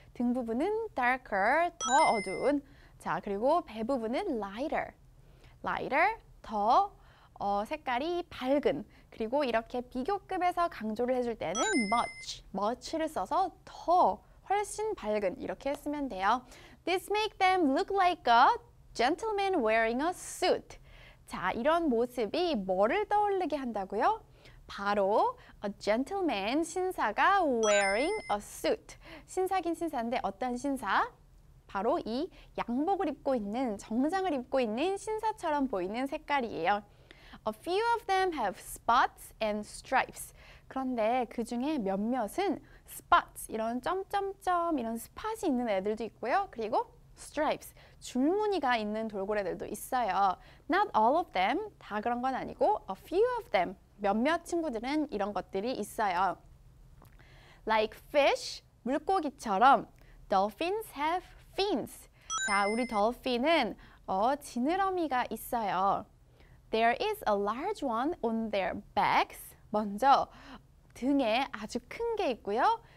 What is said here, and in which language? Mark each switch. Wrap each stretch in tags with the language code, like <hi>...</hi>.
<ko>등 부분은 darker, 더 어두운. 자, 그리고 배 부분은 lighter, lighter, 더 색깔이 밝은. 그리고 이렇게 비교급에서 강조를 해줄 때는 much, much를 써서 더 훨씬 밝은 이렇게 쓰면 돼요.</ko> <en>This make them look like a gentleman wearing a suit.</en> <ko>자, 이런 모습이 뭐를 떠올리게 한다고요? 바로</ko> <en>a gentleman,</en> <ko>신사가</ko> <en>wearing a suit.</en> <ko>신사긴 신사인데 어떤 신사? 바로 이 양복을 입고 있는, 정장을 입고 있는 신사처럼 보이는 색깔이에요.</ko> <en>A few of them have spots and stripes.</en> <ko>그런데 그 중에 몇몇은 spots, 이런 점점점 이런 스팟이 있는 애들도 있고요. 그리고 stripes, 줄무늬가 있는 돌고래들도 있어요.</ko> <en>Not all of them,</en> <ko>다 그런 건 아니고</ko> <en>a few of them,</en> <ko>몇몇 친구들은 이런 것들이 있어요.</ko> <en>Like fish,</en> <ko>물고기처럼</ko> <en>dolphins have fins.</en> <ko>자, 우리 dolphin은 지느러미가 있어요.</ko> <en>There is a large one on their backs.</en> <ko>먼저 등에 아주 큰 게 있고요.</ko>